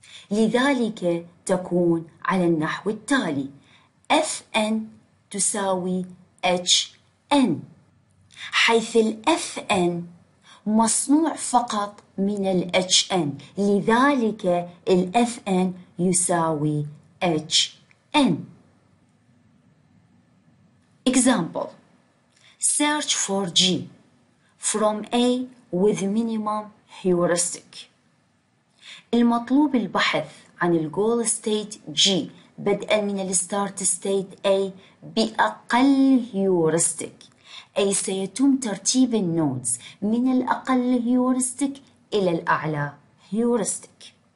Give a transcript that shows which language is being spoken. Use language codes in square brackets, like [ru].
[ar] لذلك تكون على النحو التالي: Fn تساوي Hn، حيث الـ Fn مصنوع فقط من الـ Hn، لذلك الـ Fn يساوي Hn. [en] Example: Search for G from A with minimum heuristic. [ar] المطلوب البحث عن الجول ستيت جي بدءا من الستارت ستيت A بأقل هيورستيك، أي سيتم ترتيب النودز من الأقل هيورستيك إلى الأعلى هيورستيك.